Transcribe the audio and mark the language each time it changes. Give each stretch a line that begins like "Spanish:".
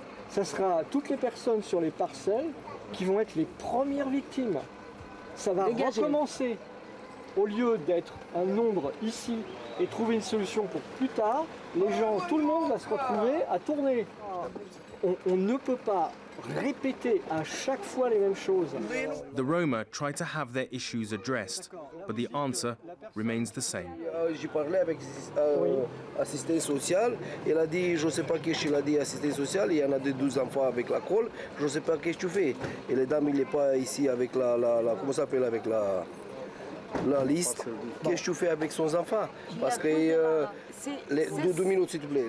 French: Ça sera toutes les personnes sur les parcelles qui vont être les premières victimes. Ça va recommencer. Au lieu d'être un nombre ici et trouver une solution pour plus tard, les gens, tout le monde va se retrouver à tourner. On ne peut pas répéter à chaque fois les mêmes choses.
English: The Roma try to have their issues addressed, but the answer remains the same.
French: J'ai parlé avec l'assistance sociale. Elle a dit, je ne sais pas qu'est-ce qu'elle a dit, assistance sociale. Il y en a des 12 enfants avec la colle. Je ne sais pas qu'est-ce que tu fais. Et les dames, il n'est pas ici avec la comment ça s'appelle, avec la liste. Qu'est-ce que tu fais avec son enfant? Parce que deux minutes, s'il te plaît.